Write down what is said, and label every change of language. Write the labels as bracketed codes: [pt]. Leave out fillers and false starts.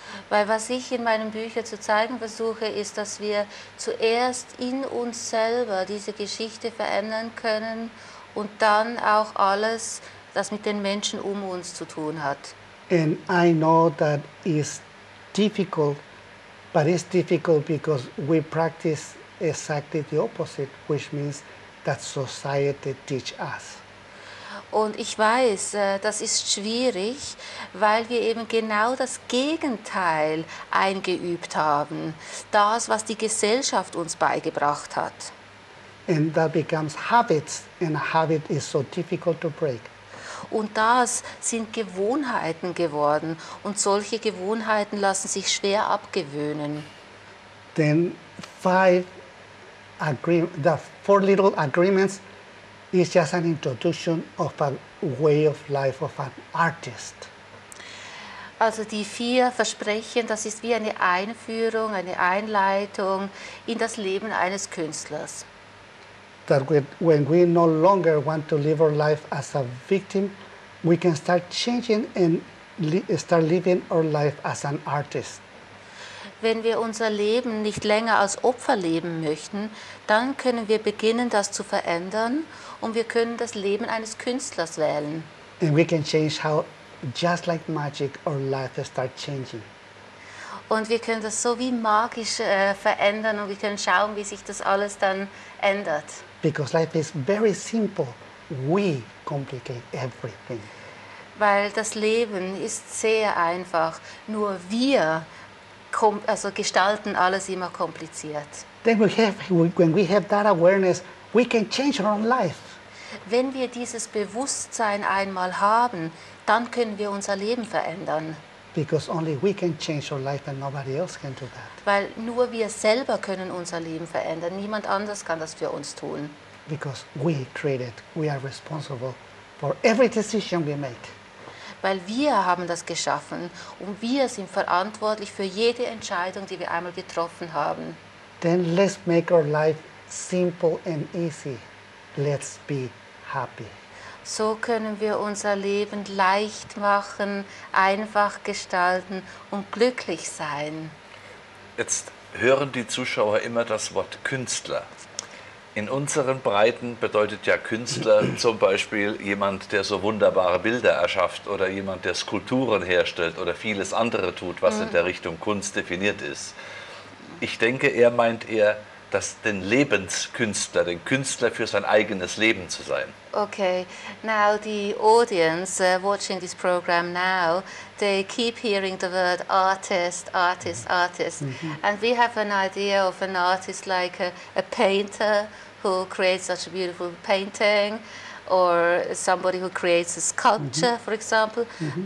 [de] Weil was ich in meinen Büchern zu zeigen versuche, ist, dass wir zuerst in uns selber diese Geschichte verändern können. Und dann auch alles, das mit den Menschen um uns zu tun hat. [en] And I know that is difficult, but it's difficult because we practice exactly the opposite, which means that society teach us. [de] Und ich weiß, das ist schwierig, weil wir eben genau das Gegenteil eingeübt haben. Das, was die Gesellschaft uns beigebracht hat. [en] And that becomes habits, and a habit is so difficult to break. [de] Und das sind Gewohnheiten geworden. Und solche Gewohnheiten lassen sich schwer abgewöhnen. [en] Then the four little agreements is just an introduction of a way of life of an artist. [de] Also die vier Versprechen, das ist wie eine Einführung, eine Einleitung in das Leben eines Künstlers. [en] That when we no longer want to live our life as a victim, we can start changing and start living our life as an artist. [de] Wenn wir unser Leben nicht länger als Opfer leben möchten, dann können wir beginnen, das zu verändern, und wir können das Leben eines Künstlers wählen. [en] And we can change how, just like magic, our life starts changing. [de] Und wir können das so wie magisch verändern, und wir können schauen, wie sich das alles dann ändert. [en] Because life is very simple, we complicate everything. [de] Weil das Leben ist sehr einfach, nur wir gestalten alles immer kompliziert. [en] Then when we have that awareness, we can change our own life. [de] Wenn wir dieses Bewusstsein einmal haben, dann können wir unser Leben verändern. [en] Because only we can change our life and nobody else can do that. [de] Weil nur wir selber können unser Leben verändern. Niemand anders kann das für uns tun. [en] Because we created, we are responsible for every decision we make. [de] Weil wir haben das geschaffen und wir sind verantwortlich für jede Entscheidung, die wir einmal getroffen haben. [en] Then let's make our life simple and easy. Let's be happy. [de] So können wir unser Leben leicht machen, einfach gestalten und glücklich sein. Jetzt hören die Zuschauer immer das Wort Künstler. In unseren Breiten bedeutet ja Künstler zum Beispiel jemand, der so wunderbare Bilder erschafft oder jemand, der Skulpturen herstellt oder vieles andere tut, was in der Richtung Kunst definiert ist. Ich denke, er meint eher, dass den Lebenskünstler, den Künstler für sein eigenes Leben zu sein. [en] Okay, now the audience watching this program now, they keep hearing the word artist, artist, artist. Mm-hmm. And we have an idea of an artist like a painter who creates such a beautiful painting, or somebody who creates a sculpture, mm-hmm. for example. Mm-hmm.